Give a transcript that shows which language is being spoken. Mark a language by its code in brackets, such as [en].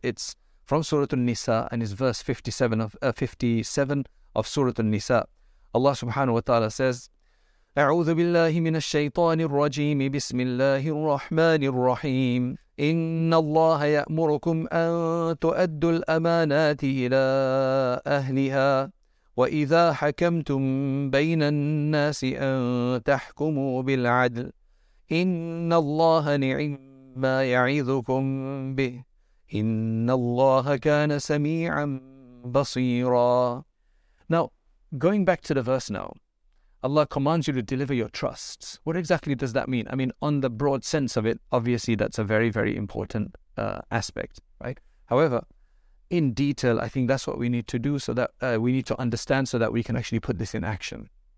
[en] It's from Surah An-Nisa and is verse 57 of Surah An-Nisa. [ar] Allah subhanahu wa ta'ala says, أعوذ بالله من الشيطان الرجيم بسم الله الرحمن الرحيم إن الله يأمركم أن تؤدوا الأمانات إلى أهلها وإذا حكمتم بين الناس أن تحكموا بالعدل إن الله نعما يعظكم به إن الله كان سميعا بصيرا. [en] Now, going back to the verse now, Allah commands you to deliver your trusts. What exactly does that mean? I mean, on the broad sense of it, obviously that's a very, very important aspect, right? However, in detail, I think that's what we need to do so that we need to understand so that we can actually put this in action.